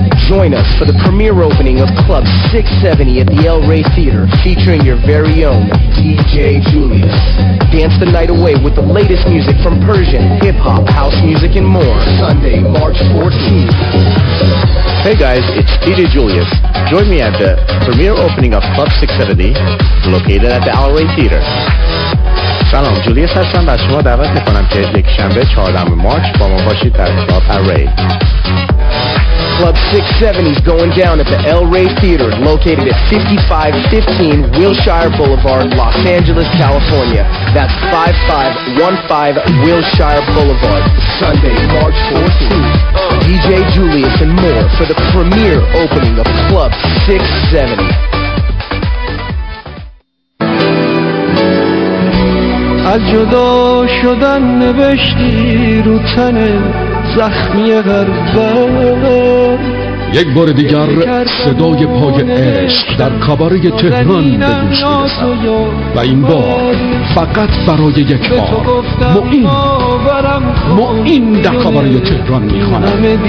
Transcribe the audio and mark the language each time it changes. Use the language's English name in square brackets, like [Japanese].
[English] Join us for the premiere opening of Club 670 at the El Rey Theater, featuring your very own DJ Julius. Dance the night away with the latest music from Persian, hip-hop, house music, and more. Sunday, March 14th. Hey guys, it's DJ Julius. Join me at the premiere opening of Club 670, located at the El Rey Theater. [Persian] سلام، جولیس هستم، از شما دعوت میکنم که یک شنبه 14 مارچ با ما باشید در کلاب الری. [English] Club 670 is going down at the El Rey Theater, located at 5515 Wilshire Boulevard, Los Angeles, California. That's 5515 Wilshire Boulevard, Sunday, March 14th. DJ Julius and more for the premiere opening of Club 670. [Persian] از جدا شدن نوشتی رو تن زخمی غربت. یک بار دیگر صدای پای عشق در کاباره تهران به گوش می‌رسد و این بار فقط برای یک بار معین معین در کاباره تهران می‌خواند.